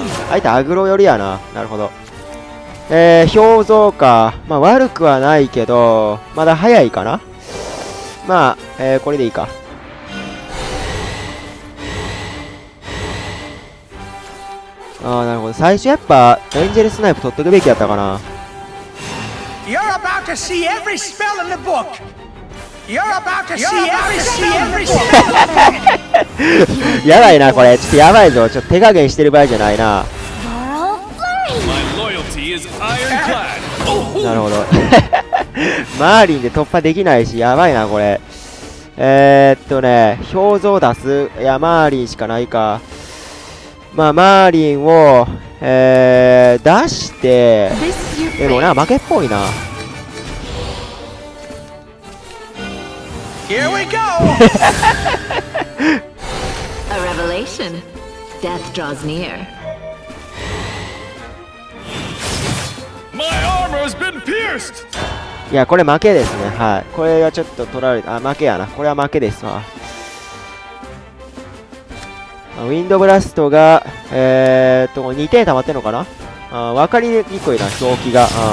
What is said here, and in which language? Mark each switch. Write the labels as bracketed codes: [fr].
[ja] 相手アグロ寄りやな。なるほど。氷像か。まあ悪くはないけど、まだ早いかな。まあ、これでいいか。なるほど。最初やっぱエンジェルスナイプ取っとくべきやったかな。 [en] You're about to see every spell in the book. You're about to see every spell in the book. [ja] やばいなこれ。ちょっとやばいぞ。ちょっと手加減してる場合じゃないな。なるほど。マーリンで突破できないし、やばいなこれ。表情出す。いや、マーリンしかないか。まあ、マーリンを、出して、でも俺は負けっぽいな。 [en] Here we go! A revelation. Death draws near. My armor has been pierced. [ja] いや、これ負けですね。はい。これがちょっと取られた。あ、負けやな。これは負けですわ。ウィンドブラストが、2点溜まってんのかな。分かりにくいな、表記が。